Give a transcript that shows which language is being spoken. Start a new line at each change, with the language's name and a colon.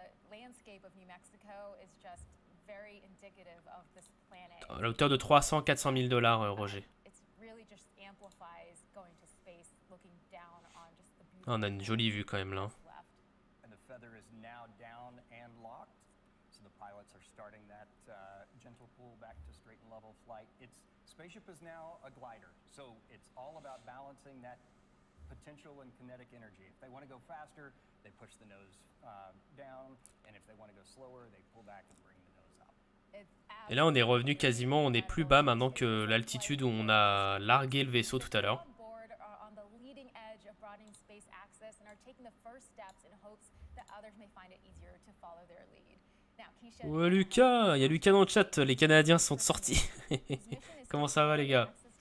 English: landscape of New Mexico is just very indicative of this planet.
French: À la hauteur de 300 400 000 dollars, Roger.
English: It's really just amplifies going to space, looking down on just the beautiful.
French: On a une jolie vue quand même là.
English: And the feather is now down and locked. So the pilots are starting that gentle pull back to straight and level flight. Its spaceship is now a glider. So it's all about balancing that potential and kinetic energy. If they want to go faster, they push the nose down, and if they want to go slower, they pull back and bring the nose up.
French: Et là, on est revenu quasiment, on est plus bas maintenant que l'altitude où on a largué le vaisseau tout à l'heure.
English: On board on the leading edge of Broadening Space Access and are taking the first steps in hopes that others may find it easier to follow their lead.
French: Now, Keisha, Lucas, il y a Lucas dans le chat, les Canadiens sont sortis. Comment ça va les gars?